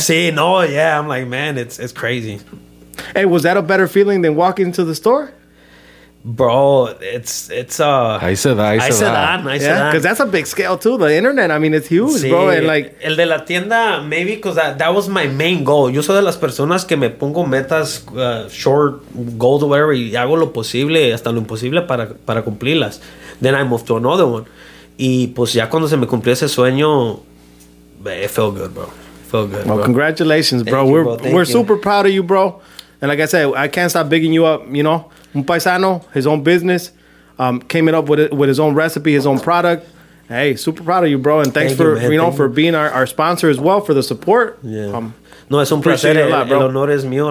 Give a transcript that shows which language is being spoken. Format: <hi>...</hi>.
<en>See, no, yeah, I'm like, man, it's crazy. Hey, was that a better feeling than walking into the store, bro? It's I said that. I said that. I said that. Because that's a big scale too. The internet, I mean, it's huge, sí, bro. And like</en> <es>el de la tienda,</es> <en>maybe because that was my main goal.</en> <es>Yo soy de las personas que me pongo metas</es> <en>short goals or whatever,</en> <es>y hago lo posible hasta lo imposible para cumplirlas.</es> <en>Then I moved to another one.</en> <es>Y pues ya cuando se me cumplió ese sueño,</es> <en>it felt good, bro. Well, congratulations, bro. We're super proud of you, bro. And like I said, I can't stop bigging you up, you know. Un paisano, his own business, came it up with his own recipe, his own product. Hey, super proud of you, bro. And thanks for being our sponsor as well, for the support.</en> <es>Yeah. No, es un placer. El honor es mío.</es>